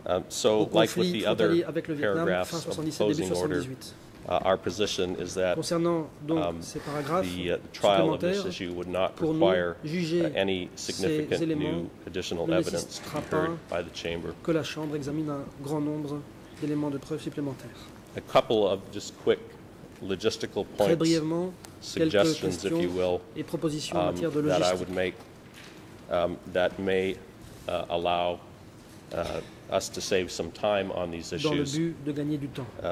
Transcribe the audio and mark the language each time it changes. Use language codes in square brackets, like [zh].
[en] So, like with the other paragraphs of the closing order, our position is that the trial of this issue would not require any significant new additional evidence to be heard by the chamber. [fr] Que la chambre examine un grand nombre d'éléments de preuve supplémentaires. [en] A couple of just quick logistical points, suggestions, if you will, that I would make that may allow us to save some time on these issues. [fr] Dans le but de gagner du temps.